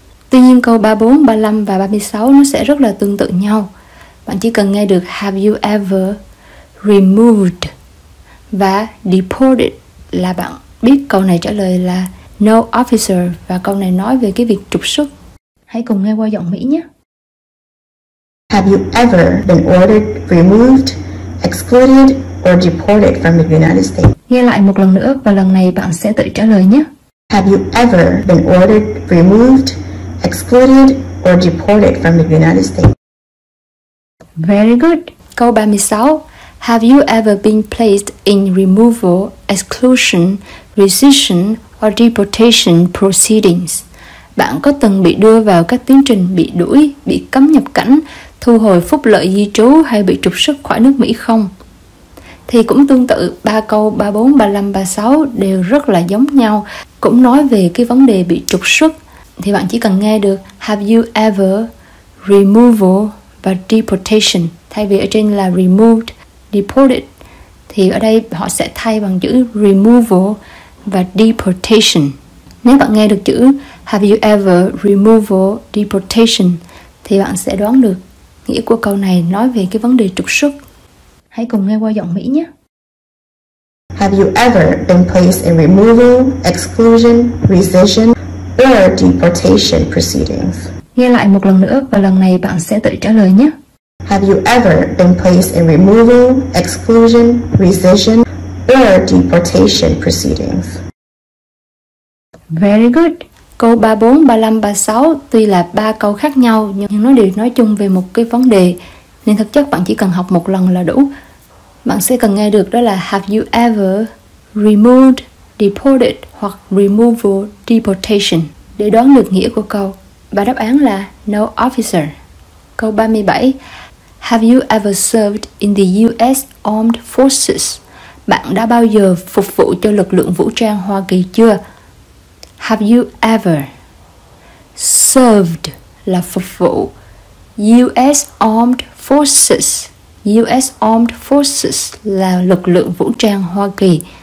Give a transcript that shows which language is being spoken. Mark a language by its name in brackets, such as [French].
[Vietnamese] Tuy nhiên câu 34, 35 và 36 nó sẽ rất là tương tự nhau. Bạn chỉ cần nghe được [English] have you ever removed [Vietnamese] và deported là bạn biết câu này trả lời là [English] no officer [Vietnamese] và câu này nói về cái việc trục xuất. Hãy cùng nghe qua giọng Mỹ nhé. [English] Have you ever been ordered, removed, excluded or deported from the United States? [Vietnamese] Nghe lại một lần nữa và lần này bạn sẽ tự trả lời nhé. [English] Have you ever been ordered, removed, excluded or deported from the United States? Very good. [Vietnamese] Câu 36. [English] Have you ever been placed in removal, exclusion, rescission or deportation proceedings? [Vietnamese] Bạn có từng bị đưa vào các tiến trình bị đuổi, bị cấm nhập cảnh, thu hồi phúc lợi di trú hay bị trục xuất khỏi nước Mỹ không? Thì cũng tương tự, ba câu 34, 35, 36 đều rất là giống nhau, cũng nói về cái vấn đề bị trục xuất. Thì bạn chỉ cần nghe được [English] have you ever removal [Vietnamese] và deportation. Thay vì ở trên là removed, deported, thì ở đây họ sẽ thay bằng chữ removal và deportation. Nếu bạn nghe được chữ [English] have you ever removal deportation [Vietnamese] thì bạn sẽ đoán được nghĩa của câu này nói về cái vấn đề trục xuất. Hãy cùng nghe qua giọng Mỹ nhé. [English] Have you ever been placed in removal, exclusion, rescission or deportation proceedings? [Vietnamese] Nghe lại một lần nữa và lần này bạn sẽ tự trả lời nhé. [English] Have you ever been placed in removal, exclusion, rescission or deportation proceedings? Very good. [Vietnamese] Câu 34, 35, 36 tuy là ba câu khác nhau nhưng nó đều nói chung về một cái vấn đề. Nên thực chất bạn chỉ cần học một lần là đủ. Bạn sẽ cần nghe được đó là [English] have you ever removed, deported [Vietnamese] hoặc [English] removal, deportation [Vietnamese] để đoán được nghĩa của câu. Và đáp án là [English] no officer. [Vietnamese] Câu 37. [English] Have you ever served in the US Armed Forces? [Vietnamese] Bạn đã bao giờ phục vụ cho lực lượng vũ trang Hoa Kỳ chưa? [English] Have you ever served [Vietnamese] là phục vụ US Armed Forces. US Armed Forces là lực lượng vũ trang Hoa Kỳ.